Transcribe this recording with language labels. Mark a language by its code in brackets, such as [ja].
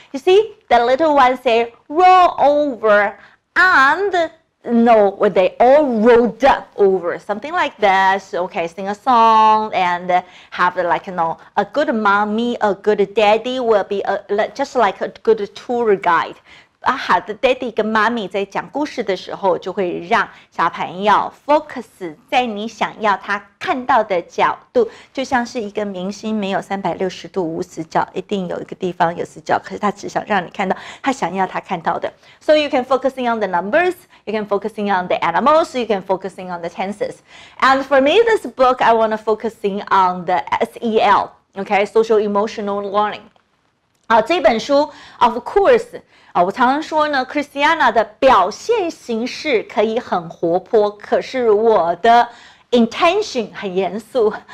[en] You see, the little one say roll over, and no, when they all rolled up over something like this. Okay, sing a song and have like, you know, a good mommy, a good daddy will be just like a good tour guide. [zh] 啊，好的 ，Daddy 跟妈咪在讲故事的时候，就会让小朋友 focus 在你想要他看到的角度，就像是一个明星没有360度无死角，一定有一个地方有死角，可是他只想让你看到他想要他看到的。 [en] So you can focusing on the numbers, you can focusing on the animals, you can focusing on the tenses. And for me, this book, I want to focusing on the SEL, okay, social emotional learning. [zh] 好，这本书 ， [en] of course。 [zh] 我常常说呢 ，Christiana 的表现形式可以很活泼，可是我的 intention 很严肃。